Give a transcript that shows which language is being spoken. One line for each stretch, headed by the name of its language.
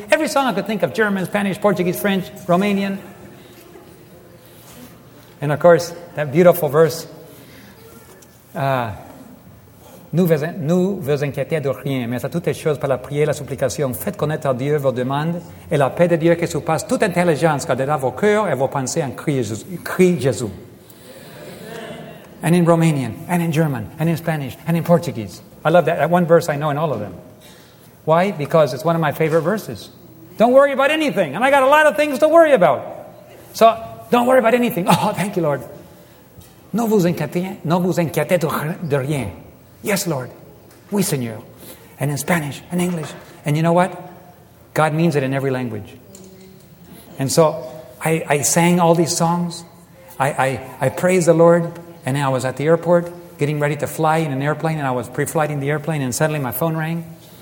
English: Every song I could think of, German, Spanish, Portuguese, French, Romanian. And of course, that beautiful verse.
French: Nous vous inquiétez de rien, mais à toutes les choses par la prière, la supplication, faites connaître à Dieu vos demandes et la paix de Dieu qui surpasse toute intelligence gardera vos cœurs et vos pensées en Christ Jésus.
English: And in Romanian, and in German, and in Spanish, and in Portuguese. I love that. That one verse I know in all of them. Why? Because it's one of my favorite verses. Don't worry about anything. And I got a lot of things to worry about. So don't worry about anything. Oh, thank you, Lord.
French: No vous inquiétez de rien.
English: Yes, Lord.
French: Oui, Seigneur.
English: And in Spanish, and English. And you know what? God means it in every language. And so I sang all these songs. I praised the Lord. And I was at the airport getting ready to fly in an airplane, and I was pre-flighting the airplane, and suddenly my phone rang.